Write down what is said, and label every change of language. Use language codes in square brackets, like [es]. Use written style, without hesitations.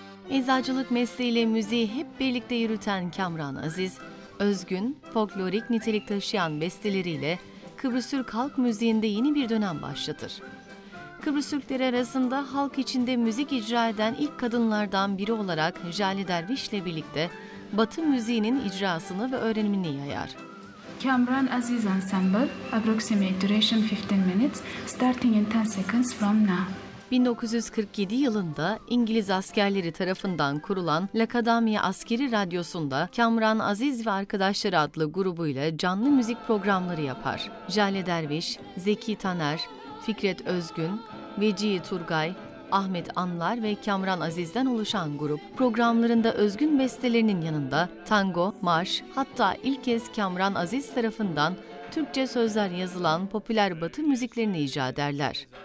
[tr] Eczacılık mesleğiyle müziği hep birlikte yürüten Kamran Aziz, özgün, folklorik nitelik taşıyan besteleriyle Kıbrıs Türk halk müziğinde yeni bir dönem başlatır. Kıbrıs Türkleri arasında halk içinde müzik icra eden ilk kadınlardan biri olarak Jale Derviş ile birlikte Batı müziğinin icrasını ve öğrenimini yayar. [en] Kamran Aziz Ensemble, approximate duration 15 minutes, starting in 10 seconds from now. [tr] 1947 yılında İngiliz askerleri tarafından kurulan L'Accademia Askeri Radyosu'nda Kamran Aziz ve Arkadaşları adlı grubuyla canlı müzik programları yapar. Jale Derviş, Zeki Taner, Fikret Özgün, Vecihi Turgay, Ahmet Anlar ve Kamran Aziz'den oluşan grup programlarında özgün bestelerinin yanında tango, marş, hatta ilk kez Kamran Aziz tarafından Türkçe sözler yazılan popüler Batı müziklerini icra ederler.